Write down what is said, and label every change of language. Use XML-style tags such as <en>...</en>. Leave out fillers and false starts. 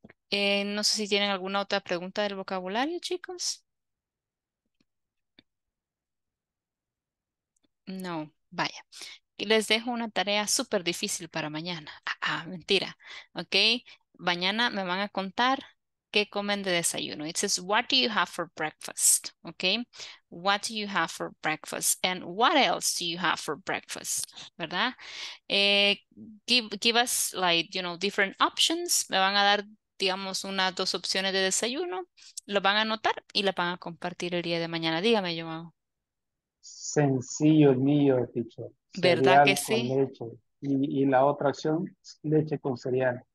<es>No sé si tienen alguna otra pregunta del vocabulario, chicos. No, vaya. Les dejo una tarea súper difícil para mañana. Ah, mentira. Ok, mañana me van a contar qué comen de desayuno.</es> <en>It says, what do you have for breakfast? Ok, what do you have for breakfast? And what else do you have for breakfast?</en> <es>¿Verdad?</es> <en>Give us like, you know, different options.</en> <es>Me van a dar, digamos, unas dos opciones de desayuno. Lo van a anotar y la van a compartir el día de mañana. Dígame, Joao. Sencillo, mío, teacher. ¿Verdad que sí? Cereal con leche. Y la otra opción, leche con cereal.</es>